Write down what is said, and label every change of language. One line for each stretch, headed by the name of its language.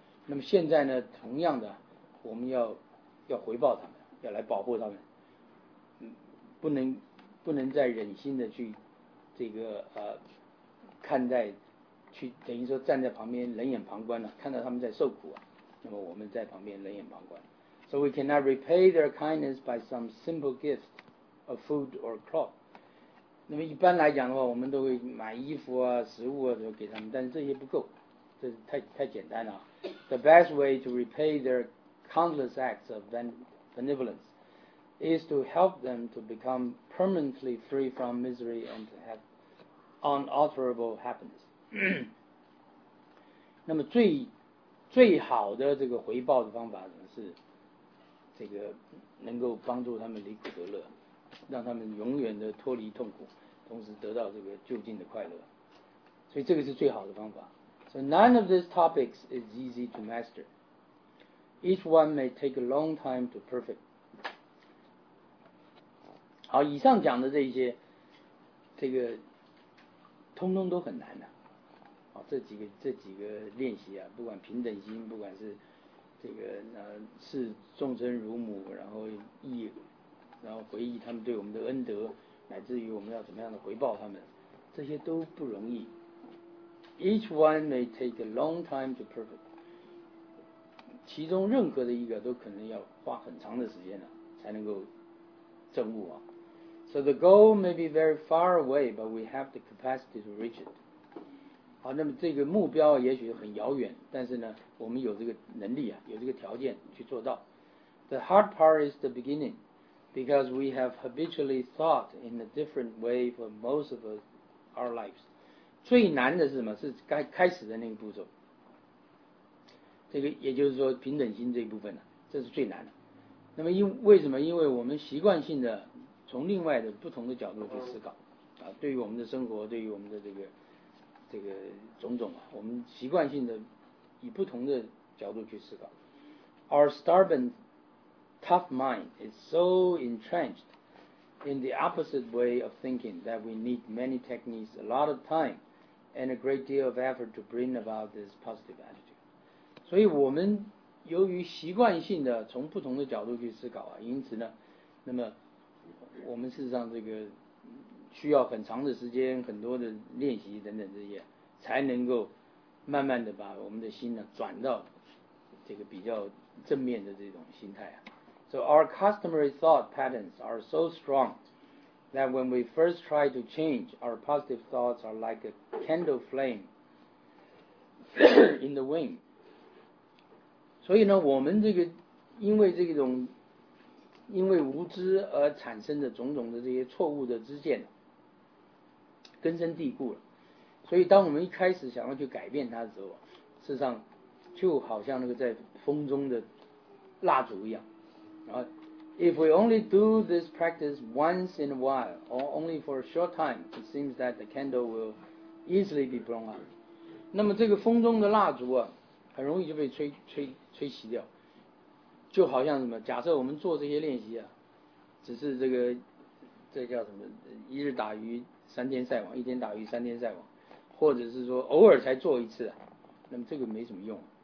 Chinese: 那么现在呢，同样的，我们要回报他们，要来保护他们，不能再忍心的去这个看待，去等于说站在旁边冷眼旁观了，看到他们在受苦啊，那么我们在旁边冷眼旁观。
English: So we cannot repay their kindness by some simple gift of food or cloth.
Chinese: 那么一般来讲的话，我们都会买衣服啊、食物啊，都给他们，但是这些不够，这是太简单了。
English: The best way to repay their countless acts of benevolence is to help them to become permanently free from misery and to have unalterable happiness.
Chinese: 那么最好的这个回报的方法呢，是这个能够帮助他们离苦得乐。让他们永远的脱离痛苦，同时得到这个究竟的快乐，所以这个是最好的方法。
English: So none of these topics is easy to master. Each one may take a long time to perfect.
Chinese: 好，以上讲的这一些，这个通通都很难的、啊。好，这几个练习啊，不管平等心，不管是这个视众生如母，然后意。然后回忆他们对我们的恩德，乃至于我们要怎么样的回报他们，这些都不容易。
English: Each one may take a long time to perfect.
Chinese: 其中任何的一个都可能要花很长的时间呢、啊，才能够证悟啊。
English: So the goal may be very far away, but we have the capacity to reach it.
Chinese: 好，那么这个目标也许很遥远，但是呢，我们有这个能力啊，有这个条件去做到。
English: The hard part is the beginning. Because we have habitually thought in a different way for most of our lives.
Chinese: 最难的是什么？是开始的那个步骤。这个也就是说平等心这一部分、啊、这是最难的。那么为什么？因为我们习惯性的从另外的不同的角度去思考、啊、对于我们的生活，对于我们的这个种种、啊、我们习惯性的以不同的角度去思考。
English: Our stubbornTough mind is so entrenched in the opposite way of thinking that we need many techniques, a lot of time, and a great deal of effort to bring about this positive attitude.
Chinese: 所以我们由于习惯性的从不同的角度去思考啊，因此呢，那么我们事实上这个需要很长的时间，很多的练习等等这些，才能够慢慢的把我们的心呢转到这个比较正面的这种心态啊。
English: So our customary thought patterns are so strong that when we first try to change, our positive thoughts are like a candle flame in the wind.
Chinese: 所以呢，我们这个因为这种因为无知而产生的种种的这些错误的知见，根深蒂固了。所以当我们一开始想要去改变它的时候，事实上就好像那个在风中的蜡烛一样。
English: If we only do this practice once in a while, or only for a short time, it seems that the candle will easily be blown out.
Chinese: 那么这个风中的蜡烛啊，很容易就被吹熄掉。就好像什么，假设我们做这些练习啊，只是这个，这叫什么？一日打鱼三天晒网，一天打鱼三天晒网，或者是说偶尔才做一次、啊，那么这个没什么用。